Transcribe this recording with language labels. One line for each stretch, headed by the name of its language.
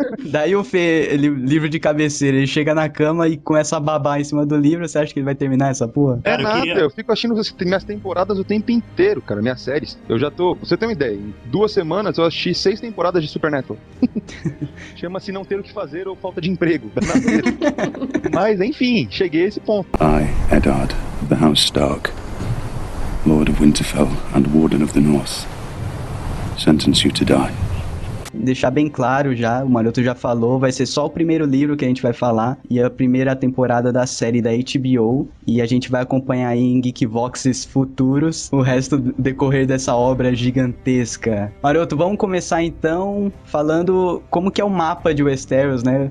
Portuguese: Daí o Fê, ele, livro de cabeceira, ele chega na cama e com essa babá em cima do livro, você acha que ele vai terminar essa porra? É, cara, nada, eu fico achando minhas temporadas o tempo inteiro, cara, minhas séries. Eu já tô, você tem uma ideia, em 2 semanas eu assisti 6 temporadas de Supernatural. Chama-se não ter o que fazer ou falta de emprego. Mas enfim, cheguei a esse ponto.
English: I, Eddard, the House Stark, Lord of Winterfell and Warden of the North, sentence you to die.
Portuguese: Deixar bem claro já, o Maroto já falou, vai ser só o primeiro livro que a gente vai falar e a primeira temporada da série da HBO, e a gente vai acompanhar aí em Geekvoxes futuros o resto do decorrer dessa obra gigantesca. Maroto, vamos começar então falando como que é o mapa de Westeros, né?